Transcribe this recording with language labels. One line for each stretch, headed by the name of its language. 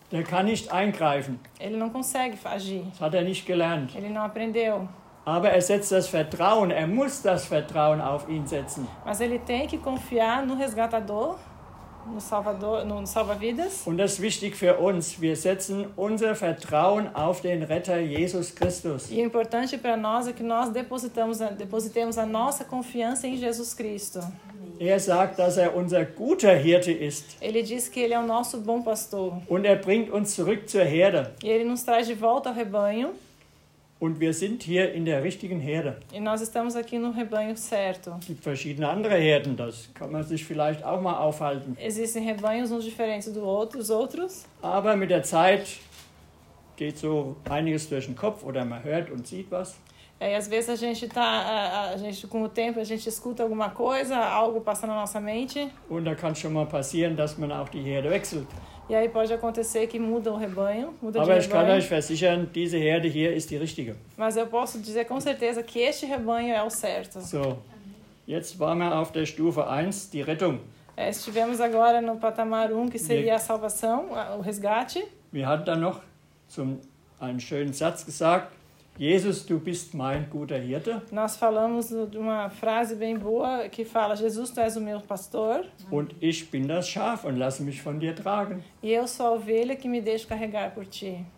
German: Der kann nicht eingreifen.
Portuguese: Ele não consegue agir.
German: Das hat er nicht gelernt.
Portuguese: Ele não aprendeu.
German: Aber er setzt das Vertrauen, er muss das Vertrauen auf ihn setzen.
Portuguese: Mas ele tem que confiar no resgatador, no salvador, no salva-vidas.
German: Und das ist wichtig für uns. Wir setzen unser Vertrauen auf den Retter Jesus Christus.
Portuguese: E importante para nós é que nós depositemos a nossa confiança em Jesus Cristo.
German: Er sagt, dass er unser guter Hirte ist.
Portuguese: Ele diz que ele é o nosso bom pastor.
German: Und er bringt uns zurück zur Herde.
Portuguese: E ele nos traz de volta ao rebanho.
German: Und wir sind hier in der richtigen Herde.
Portuguese: E nós estamos aqui no rebanho certo.
German: Es gibt verschiedene andere Herden, das kann man sich vielleicht auch mal aufhalten.
Portuguese: Existem rebanhos uns diferentes dos outros.
German: Aber mit der Zeit geht so einiges durch den Kopf oder man hört und sieht was.
Portuguese: E às vezes a gente com o tempo a gente escuta alguma coisa, algo passa na nossa mente.
German: Und da kann schon mal passieren, dass man auch die Herde wechselt.
Portuguese: E aí pode acontecer que muda o rebanho, muda
German: Aber
Portuguese: de rebanho.
German: Aber ich kann euch versichern, diese Herde hier ist die richtige.
Portuguese: Mas eu posso dizer com certeza que este rebanho é o certo.
German: So, jetzt waren wir auf der Stufe 1, die Rettung.
Portuguese: Estivemos agora no patamar 1, que seria a salvação, o resgate.
German: Wir hatten dann noch einen schönen Satz gesagt, Jesus, du bist mein guter Hirte.
Portuguese: Nós falamos de uma frase bem boa que fala: Jesus, tu és o meu pastor.
German: Und ich bin das Schaf und lasse mich von dir tragen.
Portuguese: E eu sou a ovelha que me deixo carregar por ti.